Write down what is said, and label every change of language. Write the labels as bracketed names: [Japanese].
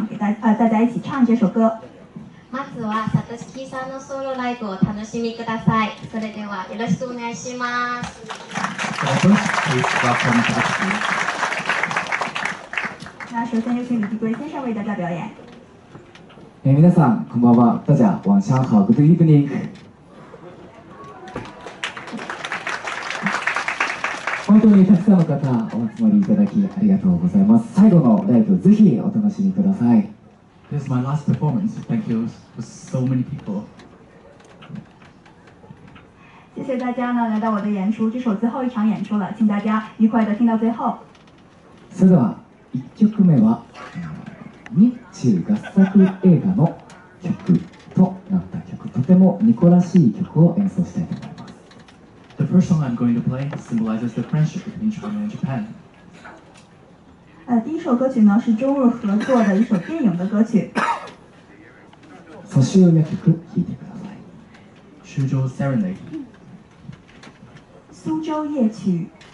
[Japanese] まずはさとしきさんのソロライブを楽しみください。それではよろしくお願いします。さとしきさん、こんにちは。 [Chinese] 那首先就请李帝圭先生为大家表演。 [Japanese] 皆さんこんばんは。 [Chinese] 大家晚上好。 [English] Good evening。 [Japanese] 本当にたくさんの方お集まりいただきありがとうございます。最後のライブぜひお楽しみください。 [English] This is my last performance. Thank you for so many people. [Chinese] 谢谢大家呢来到我的演出，这是我最后一场演出了，请大家愉快的听到最后。 [Japanese] それでは一曲目は日中合作映画の曲となった曲、とてもニコらしい曲を演奏したいと思います。 [English] The first song I'm going to play symbolizes the friendship between China and Japan. [Chinese] 第一首歌曲呢是中日合作的一首电影的歌曲。 [Japanese] ソシュウヤ曲聴いてください。 [Chinese] 苏州 Serenade。苏州夜曲。